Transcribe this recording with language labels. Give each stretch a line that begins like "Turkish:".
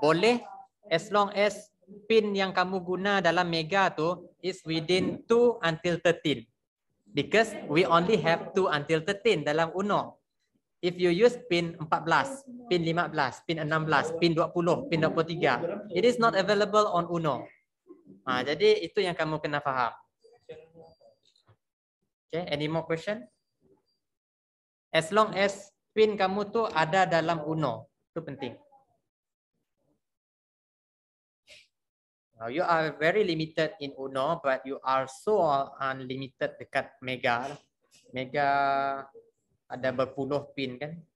English: Boleh, as long as pin
Malay: yang kamu guna dalam Mega tu
English: is within 2 until 13. Because we only have 2 until 13 dalam Uno. If you use pin 14, pin 15, pin 16, pin 20, pin 23, it is not available on Uno.
Malay: Ha, jadi itu yang kamu kena faham.
English: Okay, any more question? As long as pin
Malay: kamu tu ada dalam Uno, itu penting.
English: You are very limited in Uno, but you are so unlimited dekat Mega.
Malay: Mega ada berpuluh pin kan?